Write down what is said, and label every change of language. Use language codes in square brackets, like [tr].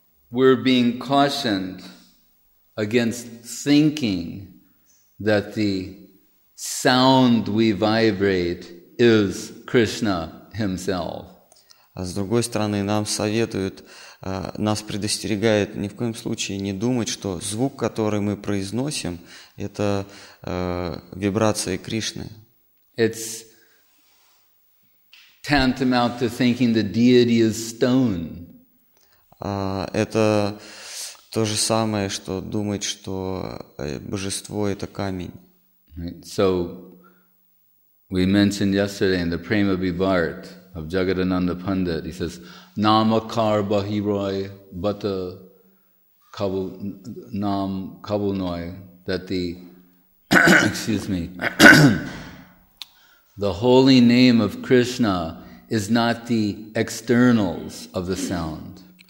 [en] we're being cautioned against thinking that the sound we vibrate is Krishna himself. [ru] А с другой стороны, нам советуют, нас предостерегают ни в коем случае не думать, что звук, который мы произносим, это вибрации Кришны. [en] It's tantamount to thinking the deity is stone. [ru] Это то же самое, что думать, что божество — это камень. [en] Right. So, we mentioned yesterday in the Prema Bhivart of Jagadananda Pandit, he says, [bn] Namakar Bahiroi Bata Kabu Nam Kabunoi, [en] that the, excuse me, the holy name of Krishna is not the externals of the sound.